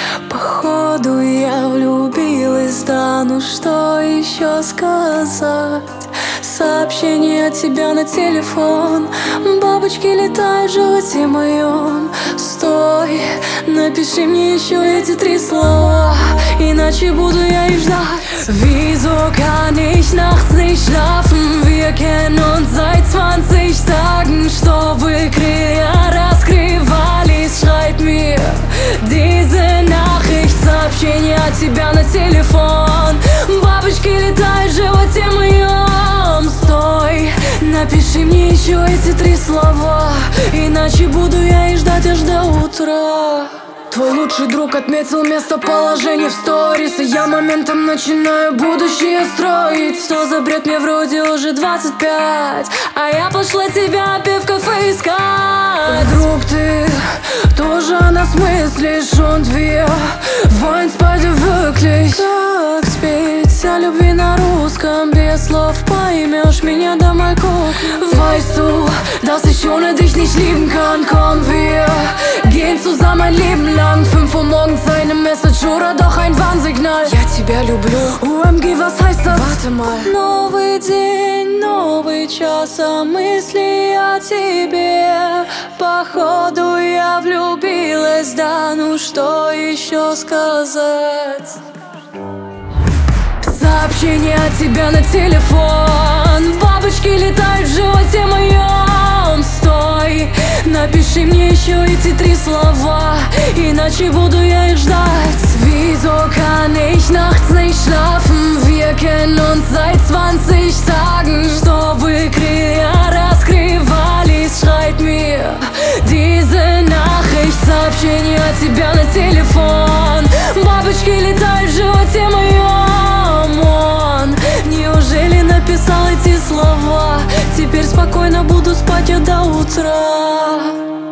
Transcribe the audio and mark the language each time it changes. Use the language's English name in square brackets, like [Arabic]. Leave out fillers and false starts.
[Russian] Походу я влюбилась, да, ну что еще сказать? Сообщение от тебя на телефон, бабочки летают в животе моем. Стой, напиши мне еще эти три слова, иначе буду я их ждать. [German] Wieso kann ich nachts nicht schlafen? Wir kennen uns seit 20 Tagen. [Russian] Чтобы крылья раскрывались, [German] schreib mir diese Nachricht. [Russian] Сообщение от тебя на телефон, бабочки летают в животе моем. Стой, напиши мне еще эти три слова, иначе буду я и ждать аж до утра. Твой лучший друг отметил местоположение в сторис, и я моментом начинаю будущее строить. Что за бред, мне вроде уже 25, а я пошла тебя опять в кафе искать. Друг, ты тоже о нас мыслишь, [German] und wir wollen beide wirklich. [Russian] Как спеть о любви на русском, без слов поймешь меня до моей кухни. [German] Weißt du, dass ich ohne dich nicht lieben kann, komm wir. Gehen zusammen ein Leben lang. 5 Uhr morgens eine Message oder doch ein Warnsignal. [Russian] Я тебя люблю. [German] OMG, was heißt das? Warte mal. [Russian] Новый день, новый час, а мысли о тебе. Походу я влюбилась, да, ну что еще сказать? Сообщение от тебя на телефон, бабочки летают в животе моем. Стой, напиши мне еще эти три слова, иначе буду я их ждать. [German] Wieso kann ich nachts nicht schlafen? Wir kennen uns seit 20 Tagen. [Russian] Чтобы крылья раскрывались, [German] schreib mir diese Nachricht. [Russian] Сообщение от тебя на телефон, бабочки летают в животе моем. Он неужели написал эти слова? Теперь спокойно буду спать я до утра. Oh,